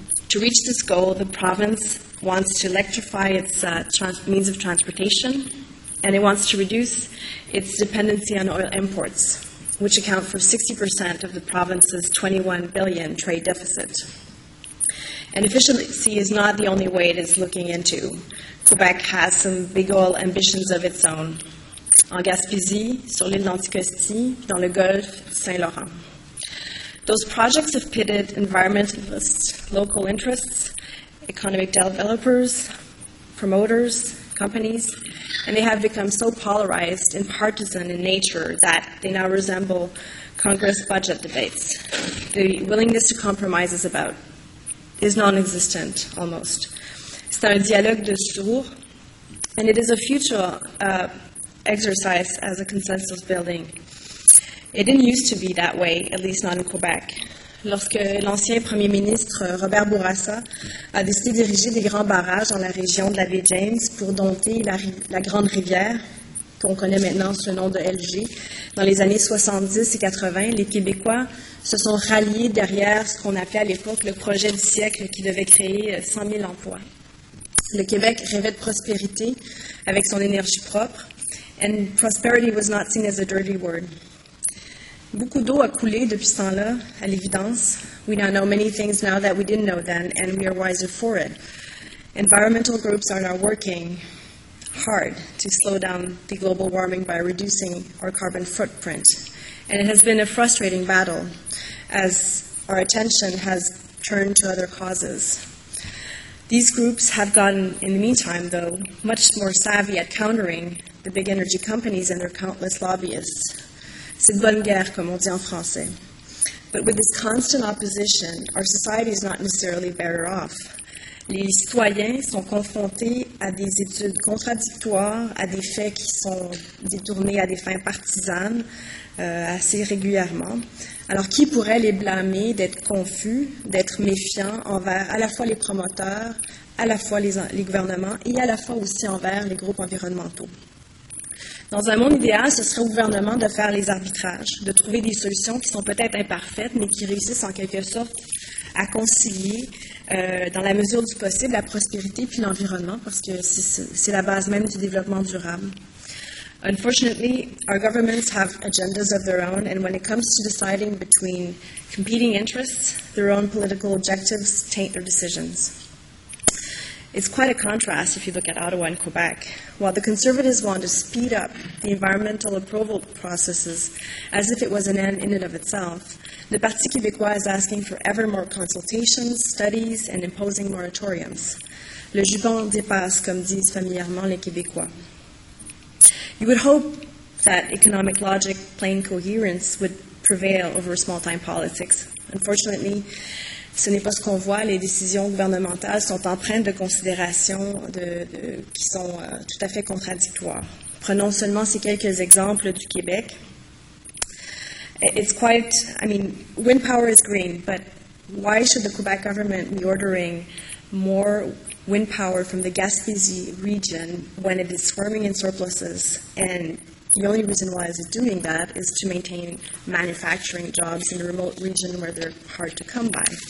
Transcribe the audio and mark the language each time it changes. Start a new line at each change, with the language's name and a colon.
English: To reach this goal, the province wants to electrify its means of transportation, and it wants to reduce its dependency on oil imports, which account for 60% of the province's $21 billion trade deficit. And efficiency is not the only way it is looking into. Quebec has some big oil ambitions of its own.
French: En Gaspésie, sur l'île d'Anticosti, dans le Golfe Saint-Laurent.
English: Those projects have pitted environmentalists, local interests, economic developers, promoters, companies, and they have become so polarized and partisan in nature that they now resemble Congress budget debates. The willingness to compromise is about is non-existent, almost.
French: C'est un dialogue de sourds,
English: and it is a future exercise as a consensus building. It didn't used to be that way, at least not in Quebec.
French: Lorsque l'ancien premier ministre Robert Bourassa a décidé d'ériger des grands barrages dans la région de la baie James pour dompter la grande rivière, qu'on connaît maintenant sous le nom de LG, dans les années 70 et 80, les Québécois se sont ralliés derrière ce qu'on appelait à l'époque le projet du siècle qui devait créer 100 000 emplois. Le Québec rêvait de prospérité avec son énergie propre,
English: and prosperity was not seen as a dirty word.
French: Beaucoup d'eau a coulé depuis ce temps-là, à l'évidence.
English: We now know many things now that we didn't know then, and we are wiser for it. Environmental groups are now working hard to slow down the global warming by reducing our carbon footprint. And it has been a frustrating battle, as our attention has turned to other causes. These groups have gotten, in the meantime, though, much more savvy at countering the big energy companies and their countless lobbyists.
French: C'est bonne guerre, comme on dit en français.
English: But with this constant opposition, our society is not necessarily better off.
French: Les citoyens sont confrontés à des études contradictoires, à des faits qui sont détournés à des fins partisanes assez régulièrement. Alors, qui pourrait les blâmer d'être confus, d'être méfiants envers à la fois les promoteurs, à la fois les gouvernements et à la fois aussi envers les groupes environnementaux? Dans un monde idéal, ce serait au gouvernement de faire les arbitrages, de trouver des solutions qui sont peut-être imparfaites, mais qui réussissent en quelque sorte à concilier, dans la mesure du possible, la prospérité puis l'environnement, parce que c'est la base même du développement durable.
English: Unfortunately, our governments have agendas of their own, and when it comes to deciding between competing interests, their own political objectives taint their decisions. It's quite a contrast if you look at Ottawa and Quebec. While the Conservatives want to speed up the environmental approval processes as if it was an end in and of itself, the Parti québécois is asking for ever more consultations, studies, and imposing moratoriums.
French: Le jupon dépasse, comme disent familièrement les Québécois.
English: You would hope that economic logic, plain coherence, would prevail over small-time politics. Unfortunately,
French: ce n'est pas ce qu'on voit. Les décisions gouvernementales sont empreintes de considérations qui sont tout à fait contradictoires. Prenons seulement ces quelques exemples du Québec.
English: It's quite, I mean, wind power is green, but why should the Quebec government be ordering more wind power from the Gaspésie region when it is swarming in surpluses? And the only reason why is it doing that is to maintain manufacturing jobs in a remote region where they're hard to come by.